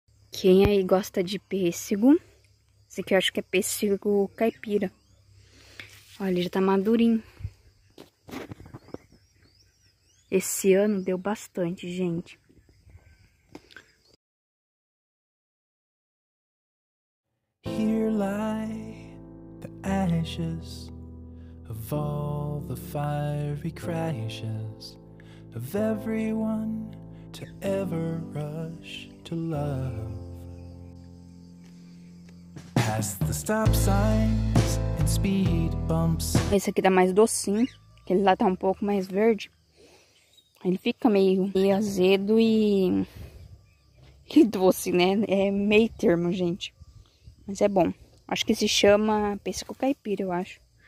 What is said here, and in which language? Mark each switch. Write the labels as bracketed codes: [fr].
[pt] Quem aí gosta de pêssego? Esse aqui eu acho que é pêssego caipira. Olha, já tá madurinho. Esse ano deu bastante, gente. [en] Here lie the ashes of all the fiery crashes of everyone to ever rush to love. Past the stop signs and speed bumps. [pt] Esse aqui tá mais docinho, aquele lá tá um pouco mais verde. Ele fica meio azedo e doce, né? É meio termo, gente. Mas é bom. Acho que se chama pêssego caipira, eu acho.